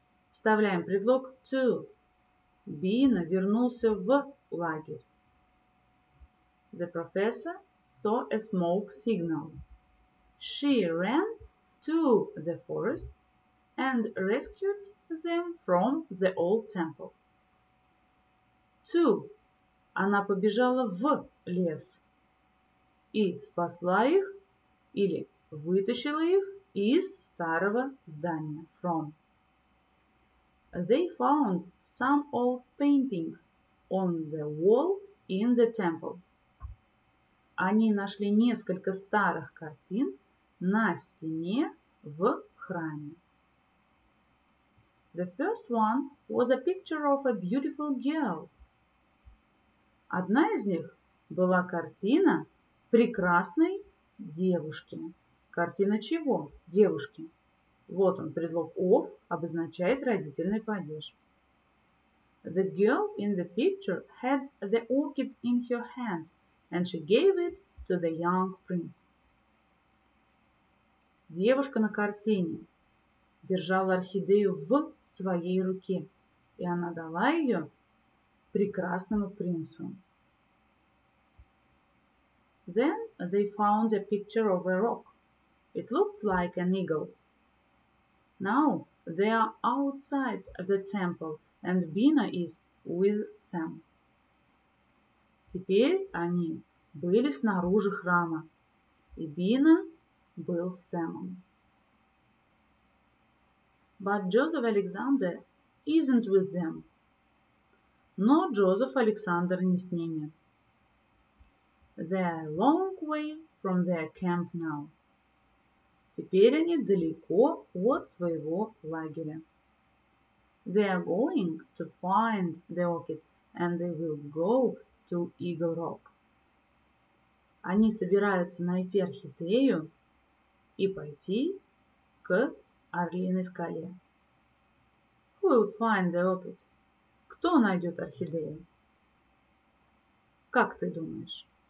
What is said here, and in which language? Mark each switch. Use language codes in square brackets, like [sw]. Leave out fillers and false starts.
[ru] Вставляем предлог to. Бина вернулся в лагерь. [en] The professor saw a smoke signal. She ran to the forest and rescued them from the old temple. To. [ru] Она побежала в лес и спасла их или вытащила их из старого здания, from. [en] They found some old paintings on the wall in the temple. [ru] Они нашли несколько старых картин на стене в храме. [en] The first one was a picture of a beautiful girl. [ru] Одна из них была картина прекрасной девушки. Картина чего? Девушки. Вот он, предлог of обозначает родительный падеж. [en] The girl in the picture had the orchid in her hand and she gave it to the young prince. [ru] Девушка на картине держала орхидею в своей руке, и она дала ее прекрасному принцу. [en] Then they found a picture of a rock. It looked like an eagle. Now they are outside the temple and Bina is with Sam. [ru] Теперь они были снаружи храма, и Бина был с Сэмом. [en] But Joseph Alexander isn't with them. [ru] Но Джозеф Александр не с ними. [en] They are a long way from their camp now. [ru] Теперь они далеко от своего лагеря. [en] They are going to find the orchid and they will go to Eagle Rock. [ru] Они собираются найти орхидею и пойти к Орлиной скале. [en] Who will find the orchid? [ru] Кто найдет орхидею? Как ты думаешь?